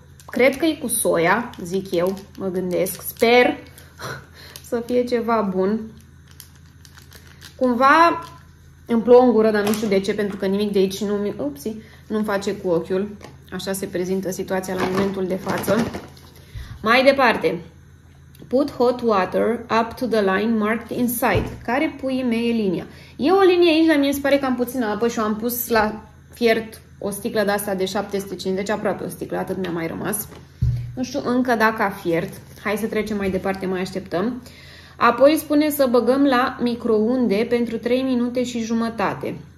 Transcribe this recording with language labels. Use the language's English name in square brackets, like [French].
[Romanian] Cred că e cu soia, zic eu, mă gândesc. Sper să fie ceva bun. Cumva îmi plouă în gură, dar nu știu de ce, pentru că nimic de aici nu-mi face cu ochiul. Așa se prezintă situația la momentul de față. Mai departe. [English] Put hot water up to the line marked inside. [Romanian] Care pui mei linia? E o linie aici, dar mie se pare că am puțină apă și o am pus la fiert o sticlă de asta de 750, aproape o sticlă, atât mi-a mai rămas. Nu știu încă dacă a fiert. Hai să trecem mai departe, mai așteptăm. Apoi spune să băgăm la microunde pentru 3 minute și jumătate.